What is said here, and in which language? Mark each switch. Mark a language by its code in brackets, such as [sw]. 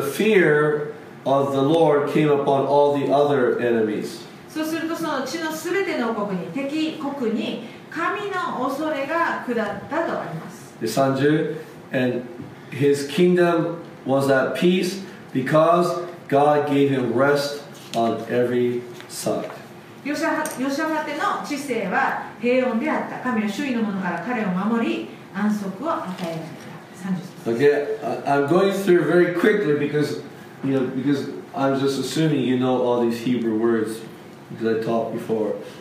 [en] The fear of the Lord came upon all the other enemies. [ja] そうするとその地のすべての王国に、敵国に神の恐れが下ったとあります。 [en] 30, and his kingdom was at peace because God gave him rest on every side. [ja] ヨシャハテの治世は平穏であった。神は周囲のものから彼を守り安息を与えられた。 [en] Okay, I'm going through very quickly because, you know, because I'm just assuming you know all these Hebrew words because I taught before.